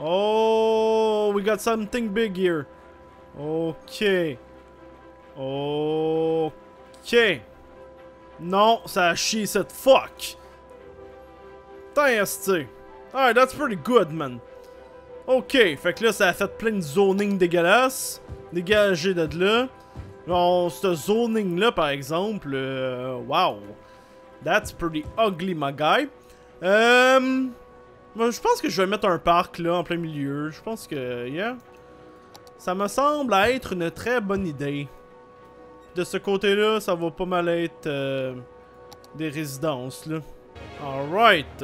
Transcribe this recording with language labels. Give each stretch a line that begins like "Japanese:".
English: Oh, we got something big here. Ok.
French: Ok. Non, ça a chié cette fuck!
English: Alright, that's pretty good, man.
French: Ok, fait que là, ça a fait plein de zoning dégueulasse. Dégagé de là. Bon, ce zoning-là, par exemple, wow.
English: That's pretty ugly, my guy.
French: Je pense que je vais mettre un parc, là, en plein milieu. Je pense que, yeah. Ça me semble être une très bonne idée. De ce côté-là, ça va pas mal être des résidences, là. Alright.